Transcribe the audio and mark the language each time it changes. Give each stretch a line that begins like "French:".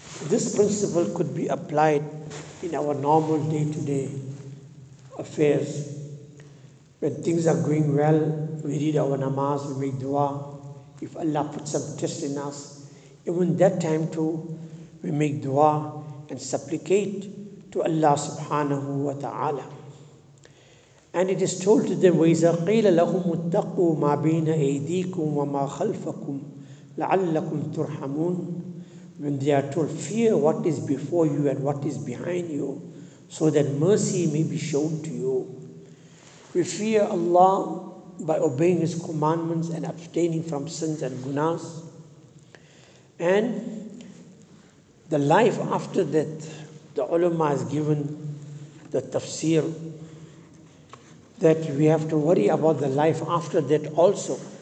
English: This principle could be applied in our normal day-to-day affairs. When things are going well, we read our namaz, we make dua. If Allah puts some test in us, even that time too, we make dua and supplicate to Allah subhanahu wa ta'ala. And it is told to them,
Arabic: وَإِذَا قِيلَ لَهُمُ اتَّقُوا مَا بَيْنَ أَيْدِيكُمْ وَمَا خَلْفَكُمْ لَعَلَّكُمْ تُرْحَمُونَ.
English: When they are told, fear what is before you and what is behind you, so that mercy may be shown to you. We fear Allah by obeying His commandments and abstaining from sins and gunas. And the life after that, the ulama has given the tafsir that we have to worry about the life after that also.